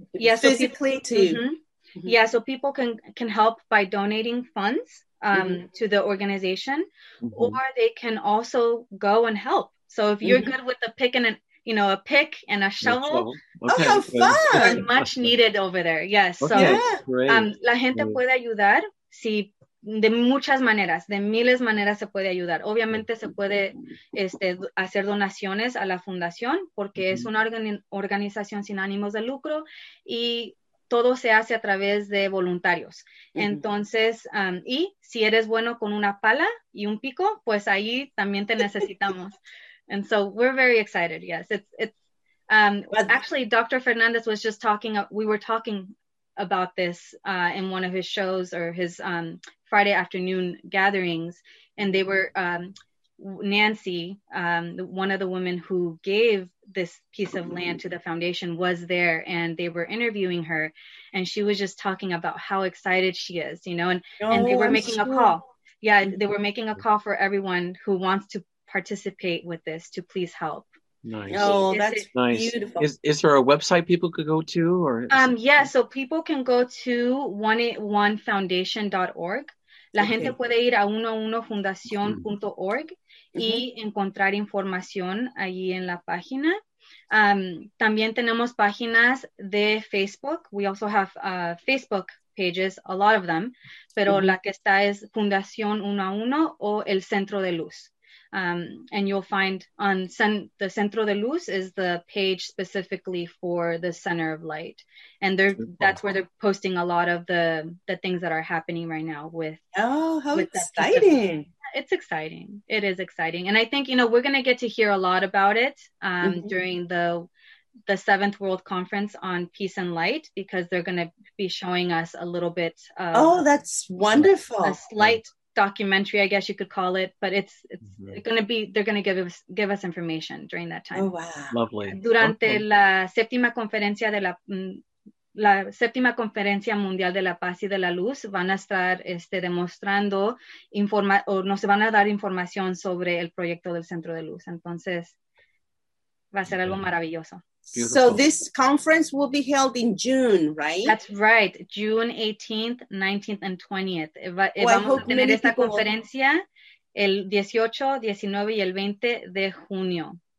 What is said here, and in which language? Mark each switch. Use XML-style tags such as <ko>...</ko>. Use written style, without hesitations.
<en>physically so people, to mm-hmm. Mm-hmm. yeah. So people can help by donating funds. Mm-hmm. to the organization, mm-hmm. or they can also go and help. So if you're mm-hmm. good with the pick and a pick and a shovel, okay. Oh, how fun! Much needed over there. Yes. Okay. So yeah.</en> <es>La gente</es> <en>great.</en> <es>Puede ayudar si de muchas maneras, de miles maneras se puede ayudar. Obviamente se puede hacer donaciones a la fundación, porque mm-hmm. es una organización sin ánimos de lucro, y todo se hace a través de voluntarios. Uh-huh. Entonces, y si eres bueno con una pala y un pico, pues ahí también te necesitamos.</es> <en>And so we're very excited. Yes, it's actually Dr. Fernandez was just talking. We were talking about this in one of his shows, or his Friday afternoon gatherings, and they were Nancy, one of the women who gave this piece of land to the foundation, was there, and they were interviewing her, and she was just talking about how excited she is, you know, and they were making a call. Yeah, they were making a call for everyone who wants to participate with this to please help. Nice. Oh, that's nice. Beautiful. Is there a website people could go to, or yeah, so people can go to 181foundation.org.</en> <es>La gente okay. puede ir a 111fundacion.org mm-hmm. y encontrar información allí en la página. También tenemos páginas de Facebook.</es> <en>We also have Facebook pages, a lot of them.</en> <es>Pero mm-hmm. la que está es Fundación 1 a 1 o el Centro de Luz.</es> <en>And you'll find on the Centro de Luz is the page specifically for the Center of Light. And they're, that's where they're posting a lot of the things that are happening right now with. Oh, how with exciting. It's exciting. It is exciting. And I think, you know, we're going to get to hear a lot about it mm-hmm. during the 7th World Conference on Peace and Light, because they're going to be showing us a little bit. Oh, that's wonderful. A slight. Yeah. documentary, I guess you could call it, but it's mm-hmm. going to be, they're going to give us information during that time. Oh, wow. Lovely.</en> <es>Durante okay. la séptima conferencia de la séptima conferencia mundial de la paz y de la luz, van a estar demostrando nos van a dar información sobre el proyecto del Centro de Luz. Entonces, va a ser algo maravilloso.</es> <en>Beautiful. So this conference will be held in June, right? That's right. June 18th, 19th, and 20th.</en> <es>Vamos a tener esta conferencia el 18, 19, y el 20 de junio.</es>